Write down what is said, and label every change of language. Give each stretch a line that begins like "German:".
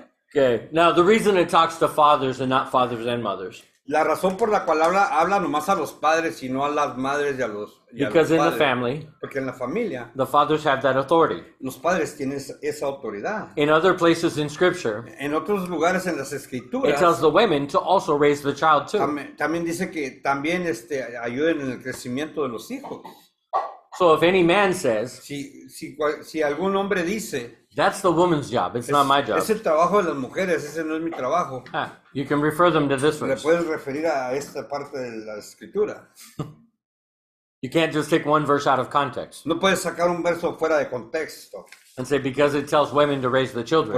English: Okay. Now the reason it talks to fathers and not fathers and mothers.
Spanish: La razón por la cual habla nomás a los padres y no a las madres y a los
English: Because
Spanish: padres.
English: In the family,
Spanish: porque en la familia,
English: the fathers have that authority.
Spanish: Los padres tienen esa autoridad.
English: In other places in scripture,
Spanish: en otros lugares en las escrituras,
English: it tells the women to also raise the child too.
Spanish: También dice que también ayuden en el crecimiento de los hijos.
English: So if any man says,
Spanish: si algún hombre dice,
English: that's the woman's job, it's not my job.
Spanish: Es el trabajo de las mujeres, ese no es mi trabajo.
English: You can refer them to this one.
Spanish: Le puedes referir a esta parte de la escritura.
English: You can't just take one verse out of context.
Spanish: No puedes sacar un verso fuera de contexto.
English: And say because it tells women to raise the children.